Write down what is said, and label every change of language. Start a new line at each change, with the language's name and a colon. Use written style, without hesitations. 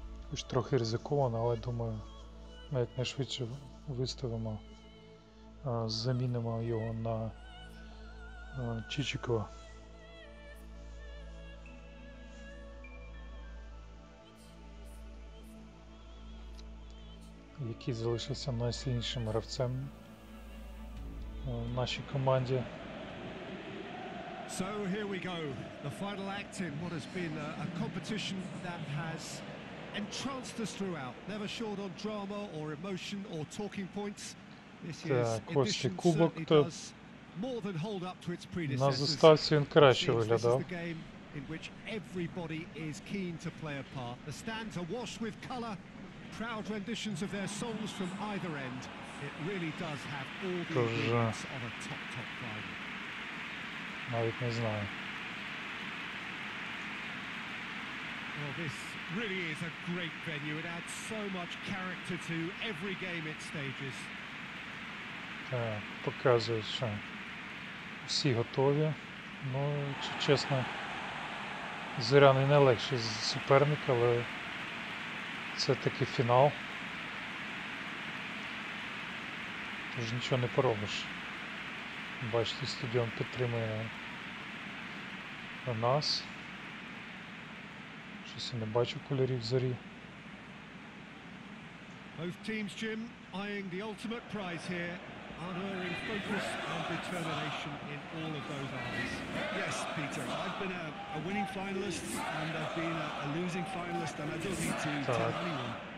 Ukrainian: Хоч трохи ризиковано, але думаю, ми якнайшвидше виставимо, замінимо його на Чичікова. Який залишився найсильнішим гравцем в нашій команді.
English: So here we go. The final act in what has been a competition that has entranced us throughout, never short on drama or emotion or talking points. This year's edition certainly does more than hold up to its predecessors. The game in which everybody is keen to play a part. The stands are awash with color, proud renditions of their songs from either end. It really does have all the ingredients of a top rival.
Ukrainian: Навіть не знаю.
English: Well, this really is a great venue. It adds so much character to every game it stages.
Ukrainian: Так, показує, що всі готові. Ну, чи чесно, Зоря не найлегший суперник, але це таки фінал. Тож нічого не поробиш. Бачите, стадіон підтримує нас. Щось я не бачу кольорів Зорі.
English: Both teams, Jim, eyeing the ultimate prize here, unerring focus and determination in all of those eyes. Yes, Peter, I've been a winning finalist and I've been a losing finalist and I don't need to tell anyone.